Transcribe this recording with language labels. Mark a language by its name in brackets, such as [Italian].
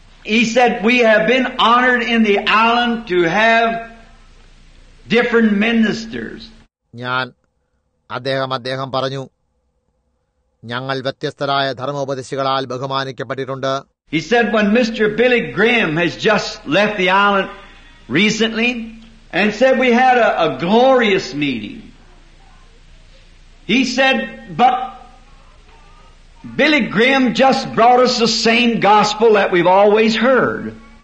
[English] He said, we have been honored in the island to have different ministers. [Malayalam] ഞാൻ അദ്ദേഹം പറഞ്ഞു, ഞങ്ങൾ വ്യത്യസ്തരായ ധർമ്മോപദേശികളാൽ ബഹുമാനിക്കപ്പെട്ടിട്ടുണ്ട്. [English] He said, when Mr. Billy Graham has just left the island recently and said we had a glorious meeting. He said, but Billy Graham just brought us the same gospel that we've always heard.